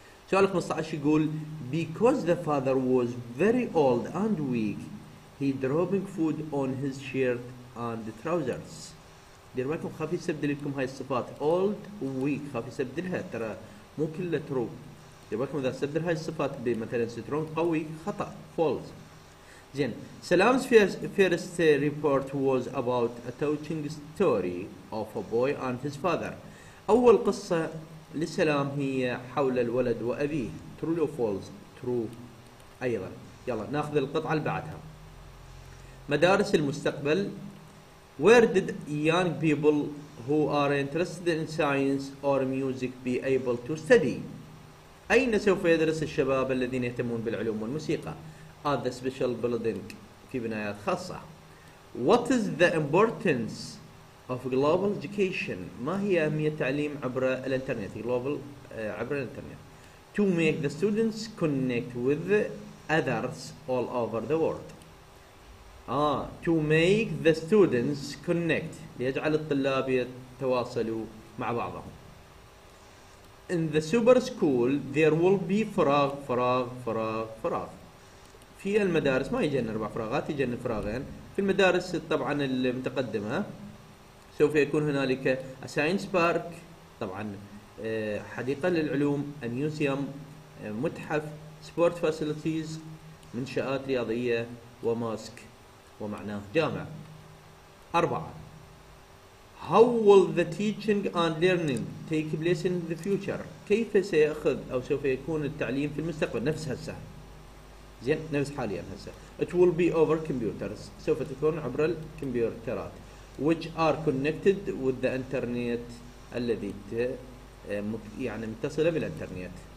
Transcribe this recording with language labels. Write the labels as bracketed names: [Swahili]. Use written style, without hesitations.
[Arabic] سؤال 15 يقول [English] Because the father was very old and weak, he dropping food on his shirt and trousers. [Arabic] دير بالكم خافي يستبدل لكم هاي الصفات old weak خافي يستبدلها ترى مو كله true. دير بالكم إذا استبدل هاي الصفات بمثلا strong قوي خطأ false. زين [English] سلام first report was about a touching story of a boy and his father. [Arabic] أول قصة لسلام هي حول الولد وأبيه [English] true or false true. [Arabic] أيضا يلا نأخذ القطعة اللي بعدها. مدارس المستقبل. [English] Where did young people who are interested in science or music be able to study? [Arabic] أين سوف يدرس الشباب الذين يهتمون بالعلوم والموسيقى؟ [English] At the special building [Arabic] في بنايات خاصة. [English] What is the importance of global education? [Arabic] ما هي أهمية التعليم عبر الإنترنت؟ Global عبر الإنترنت. [English] To make the students connect with others all over the world. To make the students connect. [Arabic] ليجعل الطلاب يتواصلوا مع بعضهم. [English] In the super school there will be [Arabic] فراغ فراغ فراغ فراغ. في المدارس ما يجن اربع فراغات يجن فراغين. في المدارس طبعا المتقدمة سوف يكون هنالك [English] a science park [Arabic] طبعا حديقة للعلوم a museum متحف sport facilities منشآت رياضية وماسك ومعناه جامع. أربعة. [English] How will the teaching and learning take place in the future? [Arabic] كيف سيأخذ أو سوف يكون التعليم في المستقبل نفس هسه؟ زين نفس حاليا هسه. [English] It will be over computers. [Arabic] سوف تكون عبر الكمبيوترات. [English] Which are connected with the internet [Arabic] الذي يعني متصلة بالإنترنت.